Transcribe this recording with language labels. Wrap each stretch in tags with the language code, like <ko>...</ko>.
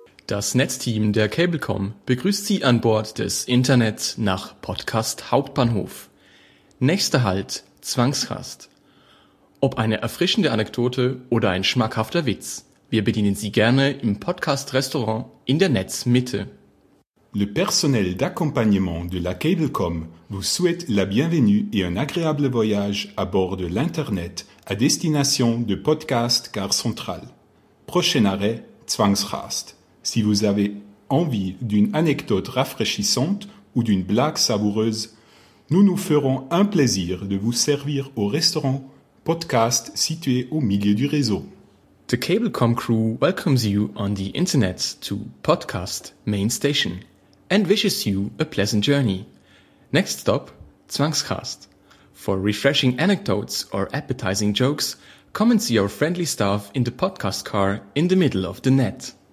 <de>Das Netzteam der Cablecom begrüßt Sie an Bord des Internet nach Podcast Hauptbahnhof. Nächster Halt, Zwangsrast. Ob eine erfrischende Anekdote oder ein schmackhafter Witz, wir bedienen Sie gerne im Podcast-Restaurant in der Netzmitte.</de> <fr>Le personnel d'accompagnement de la Cablecom vous souhaite la bienvenue et un agréable voyage à bord de l'Internet à destination de Podcast Gare Centrale. Prochain arrêt, Zwangsrast. Si vous avez envie d'une anecdote rafraîchissante ou d'une blague savoureuse, nous nous ferons un plaisir de vous servir au restaurant Podcast situé au milieu du réseau.</fr> <en>The Cablecom crew welcomes you on the internet to Podcast Main Station and wishes you a pleasant journey. Next stop, Zwangsrast. For refreshing anecdotes or appetizing jokes, come and see our friendly staff in the podcast car in the middle of the net.</en>